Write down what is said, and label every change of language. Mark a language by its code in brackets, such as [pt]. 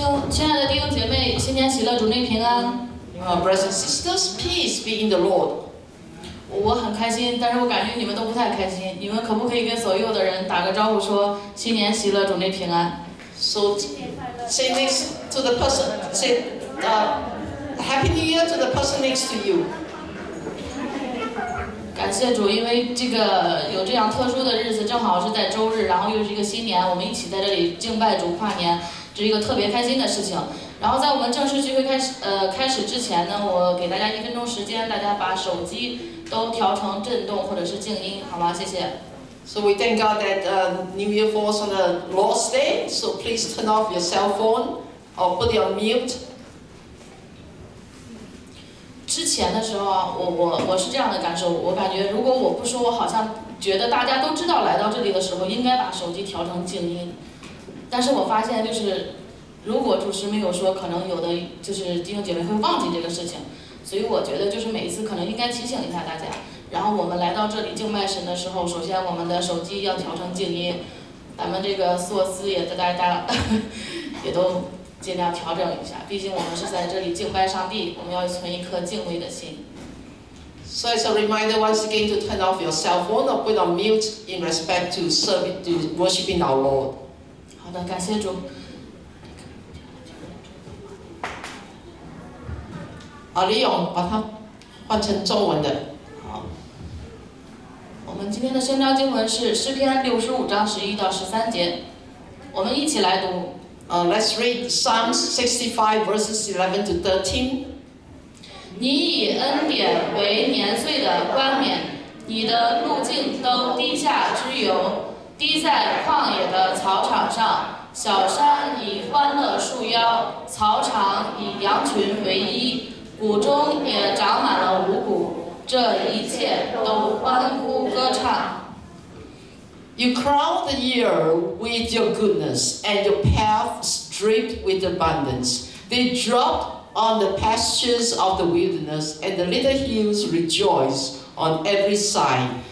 [zh] 亲爱的弟兄姐妹，新年喜乐，主内平安。 [en] Brothers and sisters, peace be in the Lord. [zh] 我很开心，但是我感觉你们都不太开心。你们可不可以跟所有的人打个招呼，说新年喜乐，主内平安 [en] ？So say this to the person. Say, Happy New Year to the person next to you. [zh] 感谢主，因为这个有这样特殊的日子，正好是在周日，然后又是一个新年，我们一起在这里敬拜主跨年。这是一个特别开心的事情。然后在我们正式聚会开始之前呢，我给大家一分钟时间，大家把手机都调成震动或者是静音，好吗？谢谢。 [en] So we thank God that New Year falls on the Lord's Day, so please turn off your cell phone or put it on mute. [zh] 之前的时候啊，我是这样的感受，我感觉如果我不说，我好像觉得大家都知道来到这里的时候应该把手机调成静音。但是我发现就是如果主持没有说，可能有的就是弟兄姐妹会忘记这个事情，所以我觉得就是每一次可能应该提醒一下大家，然后我们来到这里敬拜神的时候，首先我们的手机要调成静音，咱们这个措施也在大家也都尽量调整一下，毕竟我们是在这里敬拜上帝，我们要存一颗敬畏的心。 [en] So it's a reminder once again to turn off your cell phone or put on mute in respect to serving, to worshiping our Lord. [zh] 好的，感谢主。啊，李勇，把它换成中文的。好，我们今天的宣召经文是诗篇65:11-13。我们一起来读。 [en] Let's read Psalms 65:11-13。 [zh] 你以恩典为年岁的冠冕，你的路径都低下之由，低在旷野的草场上。小山以欢乐束腰，草场以羊群为衣。谷中也长满了五谷，这一切都欢呼歌唱。 [en] You crown the year with your goodness, and your path streaked with abundance. They drop on the pastures of the wilderness, and the little hills rejoice on every side.